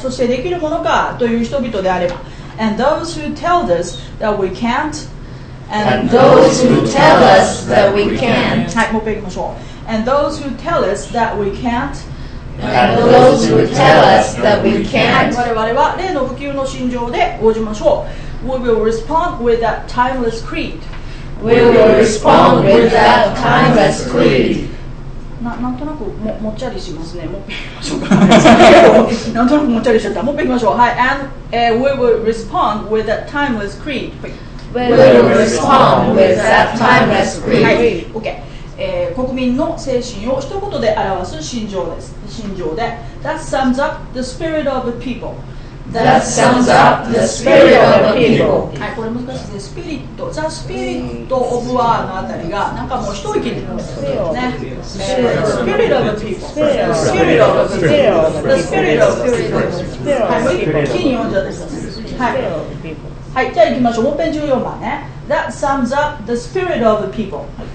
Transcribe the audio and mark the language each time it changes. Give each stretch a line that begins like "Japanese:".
Japanese: そしてできるものかという人々であれば
English: And those who tell us that we can't And those who tell us that we can't
Japanese: はい、もう一回いきましょう
English: And those who tell us that we can't. And those who tell us that we can't.
Japanese: 我々は例の不朽の信条で応じましょう。
English: We will respond with that timeless creed. We will respond with that timeless creed.
Japanese: なんとなくもっちゃりしますね。もっぺいきましょうか。なんとなくもっちゃりしちゃった。もっぺいきましょう。はい。
English: And we will respond with that timeless creed. We will respond with that timeless creed.
Japanese: はい。
English: Okay.
Japanese: 国民の精神を一言で表す心情です。心情で
English: That sums up the spirit of the people. That sums up the spirit of the people.
Japanese: はい、これ難しいですね。スピリット、
English: The spirit of the people
Japanese: のあたりがなんかもう一息になりますよね。
English: Spirit of the people. Spirit of the people. The spirit of the people.
Japanese: はい、もう一個気に読んじゃったりします。はい。はい、じゃあ行きましょう。本編14番ね。
English: That sums up the spirit of the people.